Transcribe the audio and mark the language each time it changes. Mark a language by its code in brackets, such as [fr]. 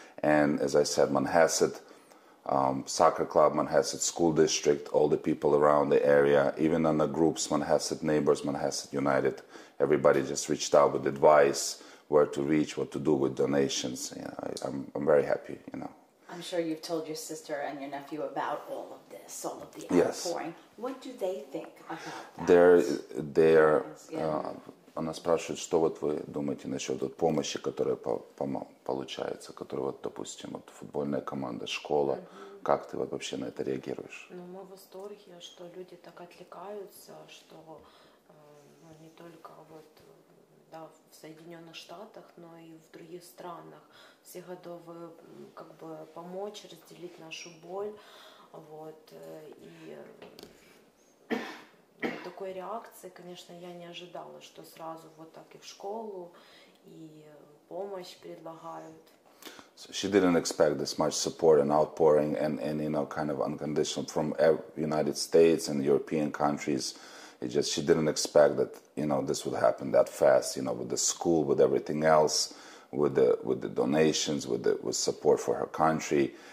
[en] And as I said, Manhasset Soccer Club, Manhasset School District, all the people around the area, even on the groups, Manhasset Neighbors, Manhasset United, everybody just reached out with advice where to reach, what to do with donations. You know, I'm very happy, you know. I'm sure you've told your sister and your nephew about all of this, all of the outpouring. Yes. What do they think about that? They're [ru] она спрашивает, что вот вы думаете насчет вот помощи, которая получается, которая вот, допустим, вот футбольная команда, школа, mm-hmm. как ты вот вообще на это реагируешь? Ну, мы в восторге, что люди так отвлекаются, что не только вот да, в Соединенных Штатах, но и в других странах все готовы как бы помочь, разделить нашу боль, вот, и... Вот такой реакции, конечно, я не ожидала, что сразу вот так и в школу, и помощь предлагают. [en] So she didn't expect this much support and outpouring and you know, kind of unconditional from United States and European countries. It just, she didn't expect that, you know, this would happen that fast, you know, with the school, with everything else, with the donations, with support for her country.